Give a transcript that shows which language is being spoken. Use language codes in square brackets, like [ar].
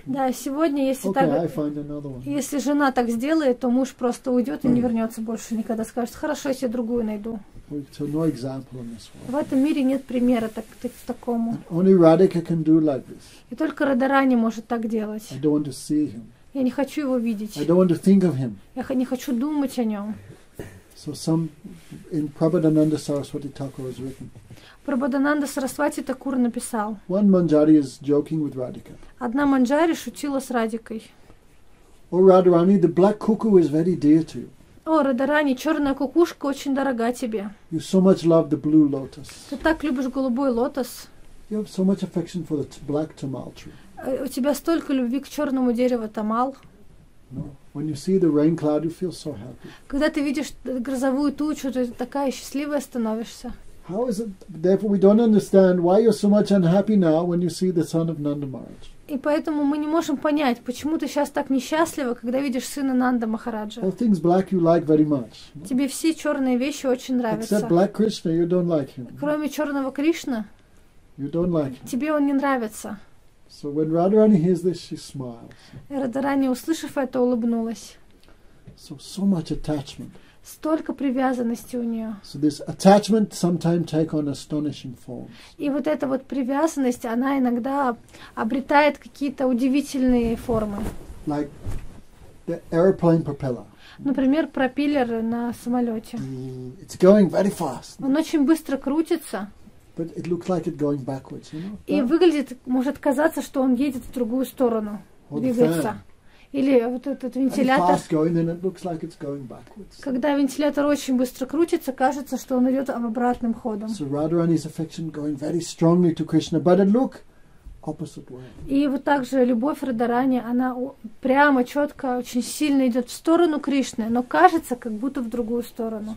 [ru] Да, сегодня если [en] okay, [ru] так, [en] I find another one. [ru] Если жена так сделает, то муж просто уйдет и не вернется больше никогда. Скажет, хорошо, я другую найду. [en] So no example in this world. [ru] В этом мире нет примера так такому. [en] And only Radhika can do like this. [ru] И только Радхарани может так делать. [en] I don't want to see him. [ru] Я не хочу его видеть. [en] I don't want to think of him. [ru] Я не хочу думать о нем. [en] So some in Prabodhananda Saraswati Thakur has written. [ru] Prabodhananda Saraswati Thakur написал. [en] One Manjari is joking with Radhika. [ru] Одна Манджари шутила с Радикой. [en] Oh Radharani, the black cuckoo is very dear to you. [ru] О, Радарани, черная кукушка очень дорога тебе. [en] You so much love the blue lotus. [ru] Ты так любишь голубой лотос. [en] You have so much affection for the black tamal tree. [ru] У тебя столько любви к черному дереву тамал. [en] When you see the rain cloud, you feel so happy. [ru] Когда ты видишь грозовую тучу, ты такая счастливая становишься. [en] How is it? Therefore, we don't understand why you're so much unhappy now when you see the son of Nanda Maharaj. [ru] И поэтому мы не можем понять, почему ты сейчас так несчастлива, когда видишь сына Нанда Махараджа. [en] All things black you like very much. [ru] Тебе все черные вещи очень нравятся. [en] Except black Krishna, you don't like him. [ru] Кроме черного Кришна. [en] You don't like him. [ru] Тебе он не нравится. [en] So when Radharani hears this, she smiles. [ru] Радхарани, услышав это, улыбнулась. [en] So much attachment. [ru] Столько привязанности у нее. [en] So this attachment sometimes take on astonishing forms. [ru] И вот эта вот привязанность, она иногда обретает какие-то удивительные формы. [en] Like the airplane propeller. [ru] Например, пропеллер на самолете. [en] It's going very fast. [ru] Он очень быстро крутится. [en] But it looks like it's going backwards, you know? [ru] И выглядит, может казаться, что он едет в другую сторону, двигается. Или вот этот вентилятор. [en] And fast going, then it looks like it's going backwards. [ru] Когда вентилятор очень быстро крутится, кажется, что он идет обратным ходом. [en] So Radharani's affection going very strongly to Krishna, but it look opposite way. [ru] И вот также любовь Радхарани, она прямо, четко, очень сильно идет в сторону Кришны, но кажется, как будто в другую сторону.